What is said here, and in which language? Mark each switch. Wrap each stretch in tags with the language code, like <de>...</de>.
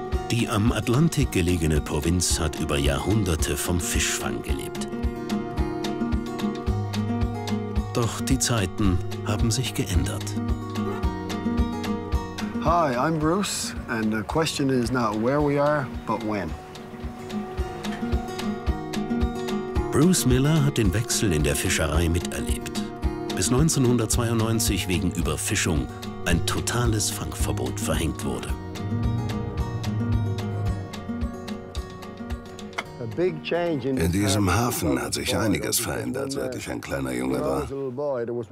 <de>Die am Atlantik gelegene Provinz hat über Jahrhunderte vom Fischfang gelebt. Doch die Zeiten haben sich geändert.</de> <en>Hi, I'm Bruce, and the question is not where we are, but when.</en> <de>Bruce Miller hat den Wechsel in der Fischerei miterlebt, bis 1992 wegen Überfischung ein totales Fangverbot verhängt wurde. In diesem Hafen hat sich einiges verändert, seit ich ein kleiner Junge war.</de>